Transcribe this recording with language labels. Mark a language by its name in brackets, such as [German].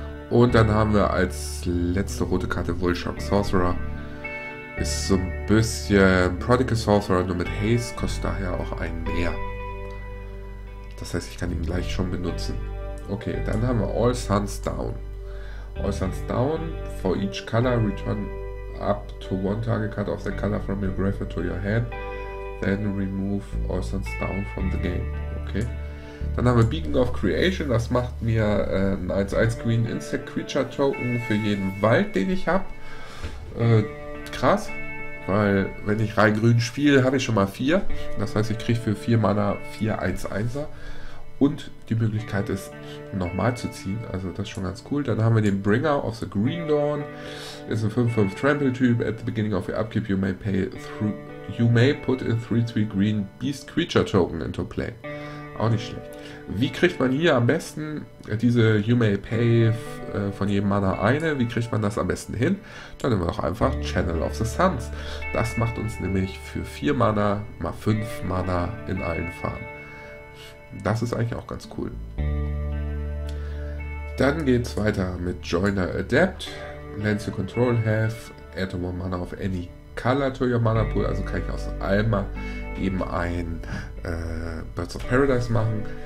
[German] Und dann haben wir als letzte rote Karte Vulshock Sorcerer. Ist so ein bisschen Prodigal Sorcerer, nur mit Haste. Kostet daher auch einen mehr. Das heißt, ich kann ihn gleich schon benutzen. Okay, dann haben wir All Suns Down. [English] All Suns Down, for each color, return up to one target card of the color from your graveyard to your hand. Then remove All Suns Down from the game. Okay. [German] Dann haben wir Beacon of Creation, das macht mir ein 1-1 Green Insect Creature Token für jeden Wald, den ich habe. Krass, weil wenn ich rein grün spiele, habe ich schon mal 4. Das heißt, ich kriege für 4 Mana 4 1-1er. Und die Möglichkeit ist, nochmal zu ziehen. Also das ist schon ganz cool. Dann haben wir den Bringer of the Green Dawn. Ist ein 5-5 Trample-Typ. [English] At the beginning of your upkeep, you may put a 3-3 Green Beast Creature Token into play. [German] Auch nicht schlecht. Wie kriegt man hier am besten diese [English] You may pay [German] von jedem Mana eine? Wie kriegt man das am besten hin? Dann nehmen wir doch einfach Channel of the Suns. Das macht uns nämlich für 4 Mana mal 5 Mana in allen Farben. Das ist eigentlich auch ganz cool. Dann geht's weiter mit Joiner Adept. [English] Lands your control have. Add 1 Mana of any color to your Mana Pool. [German] Also kann ich aus Alma eben ein Birds of Paradise machen.